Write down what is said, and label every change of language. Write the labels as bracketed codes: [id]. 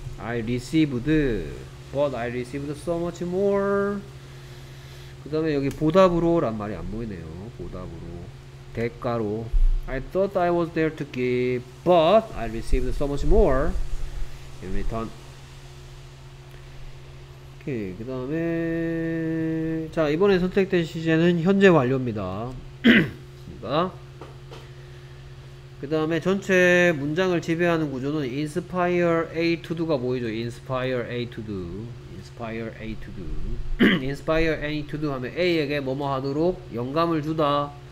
[en] I received but I received so much more. [ko] 그다음에 여기 보답으로란 말이 안 보이네요. 보답으로 대가로 [en] I thought I was there to give but I received so much more in return. [ko] 오케이. 그 다음에 자 이번에 선택된 시제는 현재 완료입니다. 그 다음에 전체 문장을 지배하는 구조는 inspire A to do가 보이죠. [en] inspire A to do inspire A to do inspire A to do [ko] 하면 A에게 뭐뭐 하도록 영감을 주다.